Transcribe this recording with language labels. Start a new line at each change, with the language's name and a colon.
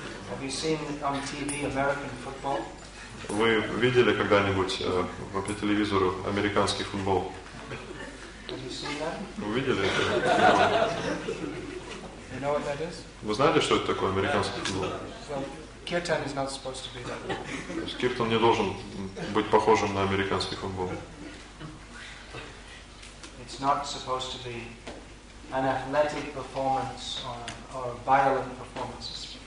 English: Have you seen on TV American football?
Russian: Вы видели когда-нибудь по телевизору американский футбол?
English: Have you seen that?
Russian: Вы видели это?
English: You know what that is?
Russian: Вы знаете, что это такое американский футбол?
English: Well, kirtan is not supposed to be that.
Russian: То есть киртан не должен быть похожим на американский футбол.
English: It's not supposed to be an athletic performance or a violent performance.